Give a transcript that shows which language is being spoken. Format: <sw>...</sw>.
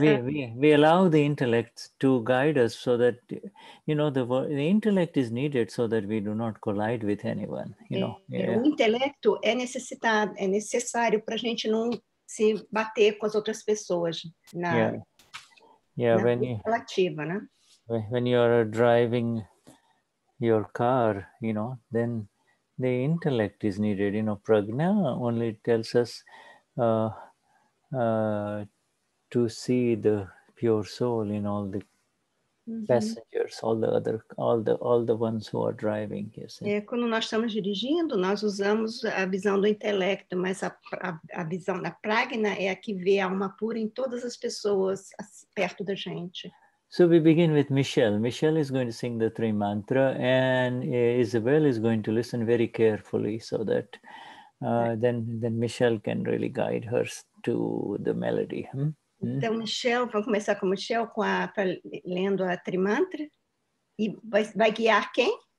<en>Yeah, we allow the intellect to guide us so that, you know, the intellect is needed so that we do not collide with anyone, you know. Yeah.</en> <pt>O intelecto é necessitado, é necessário para a gente não se bater com as outras pessoas na relativa, né?</pt> <en>When you are driving your car, you know, then the intellect is needed. You know, prajna only tells us to see the pure soul in all the passengers, all the ones who are driving. You see.</en> <pt>É, quando nós estamos dirigindo, nós usamos a visão do intelecto, mas a visão da prajna é a que vê a alma pura em todas as pessoas perto da gente.</pt> <en>So we begin with Michelle. Michelle is going to sing the three mantra and Isabel is going to listen very carefully so that then Michelle can really guide her to the melody.</en> <pt>Então, Michelle, vamos começar com Michelle lendo a trimantra. E vai guiar quem?</pt>